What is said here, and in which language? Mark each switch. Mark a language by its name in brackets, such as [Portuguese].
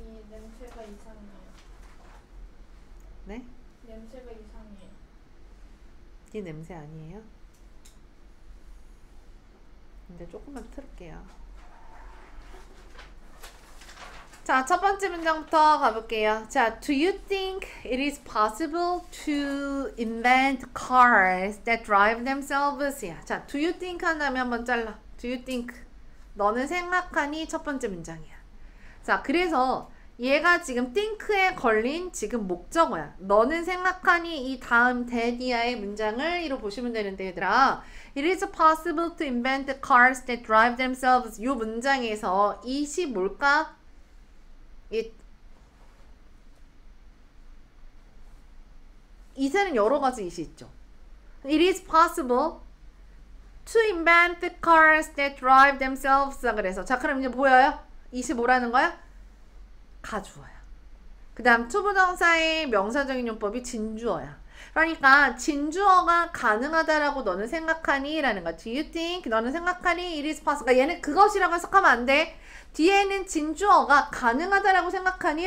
[Korean] 냄새가 이상해요. 네? 냄새가 이상해요. 이 냄새 아니에요? 근데 조금만 틀을게요. 자, 첫 번째 문장부터 가볼게요. [English] 자, Do you think it is possible to invent cars that drive themselves? [Korean] 자, [English] Do you think [Korean] 한다면 한번 잘라. Do you think? 너는 생각하니? 첫 번째 문장이야. 자, 그래서 얘가 지금 think에 걸린 지금 목적어야. 너는 생각하니 이 다음 대디아의 문장을 이로 보시면 되는데 얘들아, [English] It is possible to invent cars that drive themselves. [Korean] 요 문장에서 it이 뭘까? it. it에는 여러 가지 it이 있죠. [English] It is possible to invent cars that drive themselves. [Korean] 그래서 자 그럼 이제 보여요? it이 뭐라는 거야? 가주어야. 그 다음 to 부정사의 명사적인 용법이 진주어야. 그러니까 진주어가 가능하다라고 너는 생각하니? 라는 거야. [English] Do you think? [Korean] 너는 생각하니? [English] It is possible. [Korean] 그러니까 얘는 그것이라고 해석하면 안 돼. 뒤에는 진주어가 가능하다라고 생각하니?